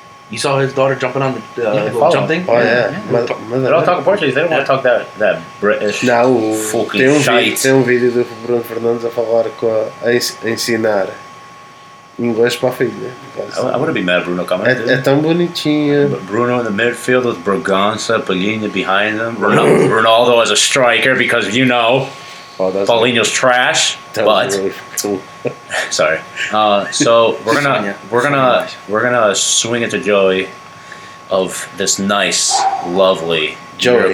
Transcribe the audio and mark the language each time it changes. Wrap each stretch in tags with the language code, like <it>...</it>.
<en>You saw his daughter jumping on the jump thing? Oh, yeah. They're all talking Portuguese. They don't want to talk that British fucking shite.</en> <pt>Tem vídeo do Bruno Fernandes a falar com a ensinar. English para filha.</pt> <en>I wouldn't be mad at Bruno coming.</en> <pt>É tão bonitinho.</pt> <en>Bruno in the midfield with Bragança, Paulinho behind them. Ronaldo as a striker because, you know, Paulinho's trash. That was really cool. Sorry. So we're gonna swing it to Joey of this nice, lovely Joey.</en>